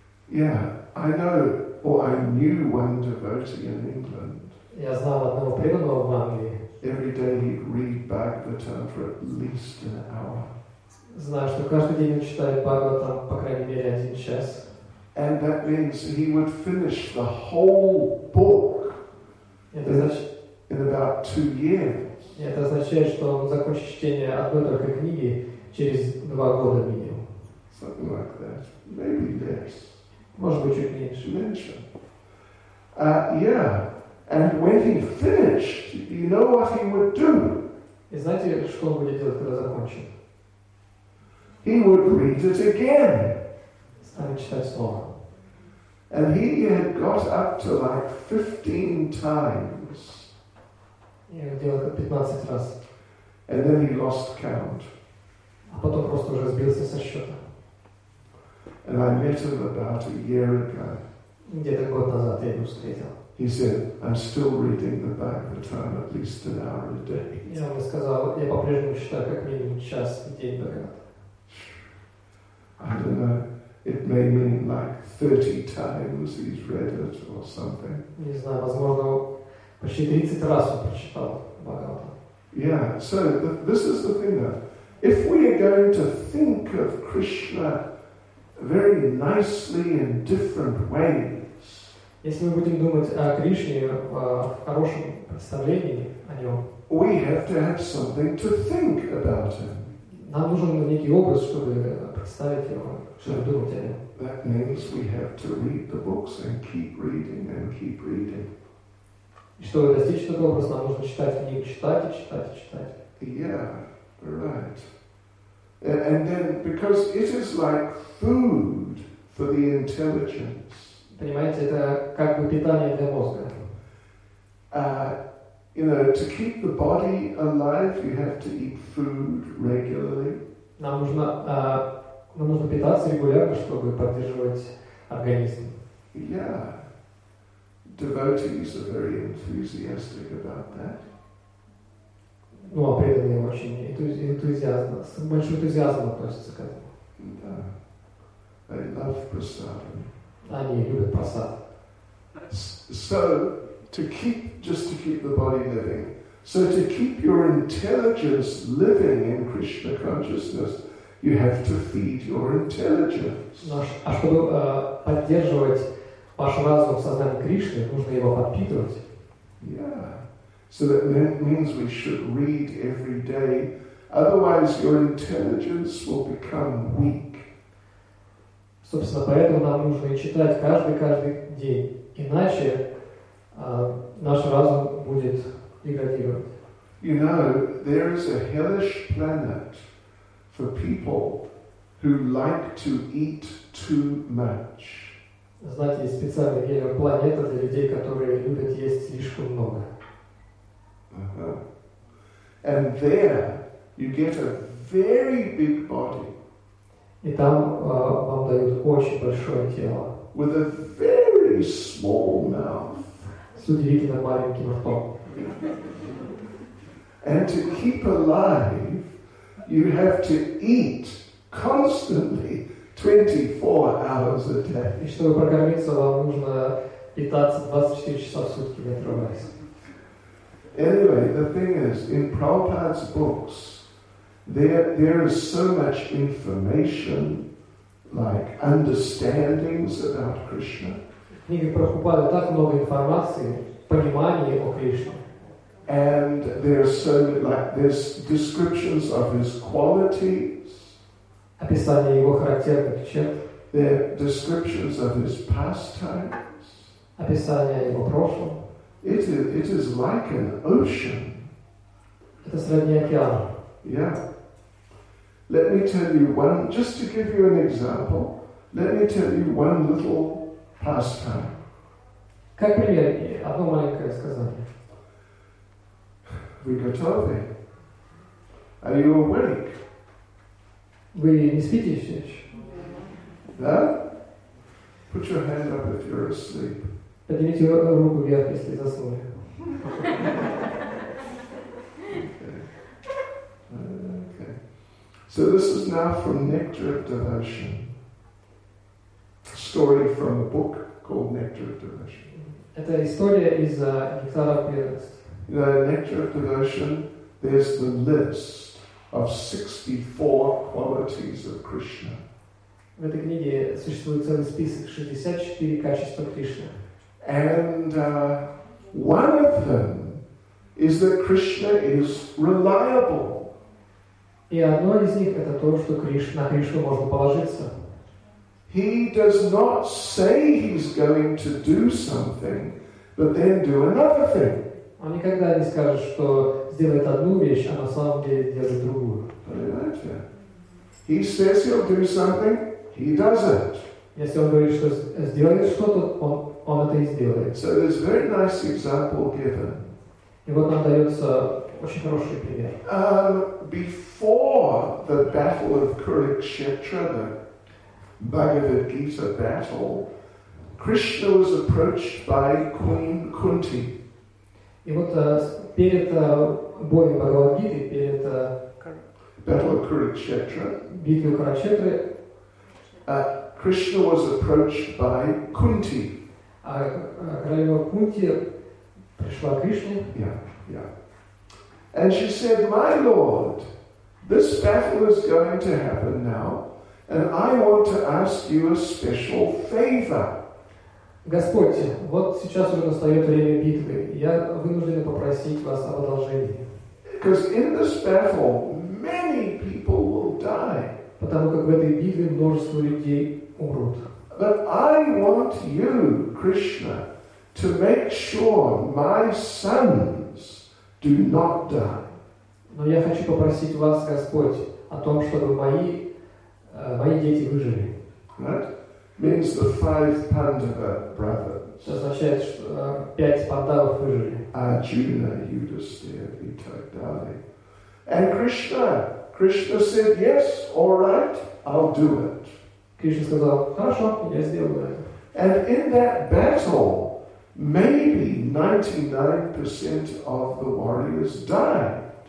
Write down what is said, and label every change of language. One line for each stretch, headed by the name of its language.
English: Yeah, I know, or I knew one devotee in England.
Russian: Я знал одного преданного в Англии.
English: Every day he'd read Bhagavatam for at least an hour.
Russian: Знаю, что каждый день он читает Бхагаватам по крайней мере один час.
English: And that means he would finish the whole book in about 2 years.
Russian: Это означает, что он закончит чтение одной только книги через 2 года минимум.
English: Something like that. Maybe less.
Russian: Может быть, чуть меньше. Меньше.
English: Yeah. And when he finished, you know what he would do?
Russian: И знаете, что он будет делать, когда закончит?
English: He would read it again.
Russian: Станет читать снова.
English: And he had got up to like 15 times.
Russian: И он делал это 15 раз.
English: And then he lost count.
Russian: А потом просто уже сбился со счета.
English: And I met him about a year ago.
Russian: Где-то год назад я его встретил.
English: He said, "I'm still reading the back of time at least an hour a day."
Russian: Я ему сказал, я по-прежнему считаю как минимум час в день наград.
English: I don't know. It may mean like 30 times he's read it or something.
Russian: Не знаю, возможно, почти 30 раз он прочитал Бхагавату.
English: Yeah. So this is the thing though. If we are going to think of Krishna very nicely in different ways.
Russian: Если мы будем думать о Кришне в хорошем представлении о нем.
English: We have to have something to think about him.
Russian: Нам нужен некий образ, чтобы представить его, чтобы думать о нем.
English: That means we have to read the books and keep reading and keep reading.
Russian: И чтобы достичь этого образа, нам нужно читать книги, читать и читать и читать.
English: Yeah, right. And then, because it is like food for the intelligence.
Russian: Понимаете, это как бы питание для мозга.
English: You know, to keep the body alive, you have to eat food regularly.
Russian: Нам нужно питаться регулярно, чтобы поддерживать организм.
English: Yeah. Devotees are very enthusiastic about that.
Russian: Ну, а преданные очень энтузиазм, с большим энтузиазмом относятся к этому. Да.
English: They love prasadam.
Russian: Они любят прасад.
English: So, to keep, just to keep the body living, so to keep your intelligence living in Krishna consciousness, you have to feed your intelligence.
Russian: А чтобы поддерживать ваш разум в сознании Кришны, нужно его подпитывать.
English: Yeah. So that means we should read every day, otherwise your intelligence will become weak.
Russian: Собственно, поэтому нам нужно читать каждый день, иначе наш разум будет деградировать.
English: You know, there is a hellish planet for people who like to eat too much.
Russian: Знаете, есть специальная гелевая планета для людей, которые любят есть слишком много.
English: And there you get a very big body.
Russian: И там вам дают очень большое тело.
English: With a very small mouth.
Russian: С удивительно маленьким ртом.
English: And to keep alive, you have to eat constantly 24 hours a day.
Russian: И чтобы прокормиться, вам нужно питаться 24 часа в сутки, не отрываясь.
English: Anyway, the thing is, in Prabhupada's books, there is so much information, like understandings about Krishna.
Russian: Книги Прабхупады так много информации, понимания о Кришне.
English: And there's so like there's descriptions of his qualities.
Russian: Описание его характерных черт.
English: There are descriptions of his pastimes.
Russian: Описание его прошлого.
English: It is like an ocean.
Russian: Это сродни океану.
English: Yeah. Let me tell you one, just to give you an example, let me tell you one little pastime.
Russian: Как пример, одно маленькое сказание.
English: Vigatope. Are you awake?
Russian: Вы не спите еще? Да?
English: Put your hand up if you're asleep.
Russian: Поднимите руку вверх, если заснули.
English: Okay. Okay. So this is now from Nectar of Devotion. Story from a book called Nectar of Devotion.
Russian: Это история из Нектара преданности.
English: You know, Nectar of Devotion, there's the list of 64 qualities of Krishna.
Russian: В этой книге существует целый список 64 качества Кришны.
English: And one of them is that Krishna is reliable.
Russian: И одно из них это то, что на Кришну можно положиться.
English: He does not say he's going to do something, but then do another thing.
Russian: Он никогда не скажет, что сделает одну вещь, а на самом деле делает другую.
English: He says he'll do something, he does it.
Russian: Если он говорит, что сделает что-то, он это и сделает.
English: So there's a very nice example given.
Russian: И вот нам дается очень хороший пример.
English: Before the battle of Kurukshetra, the Bhagavad Gita battle, Krishna was approached by Queen Kunti.
Russian: И вот перед боем Бхагавад Гиты, перед
English: battle of Kurukshetra,
Russian: битвой Курукшетры,
English: Krishna was approached by Kunti.
Russian: А королева Кунти пришла к Кришне.
English: Yeah, yeah. And she said, "My lord, this battle is going to happen now, and I want to ask you a special favor."
Russian: Господь, вот сейчас уже настает время битвы. Я вынужден попросить вас об одолжении.
English: Because in this battle, many people will die.
Russian: Потому как в этой битве множество людей умрут.
English: But I want you, Krishna, to make sure my sons do not die.
Russian: Но я хочу попросить вас, Господь, о том, чтобы мои дети выжили.
English: Right? Means the five Pandava brothers.
Russian: Это означает, что пять Пандавов выжили.
English: Arjuna, Yudhisthira, Itadari. And Krishna said, "Yes, all right, I'll do it."
Russian: Кришна сказал, хорошо, я сделаю это.
English: And in that battle, maybe 99% of the warriors died.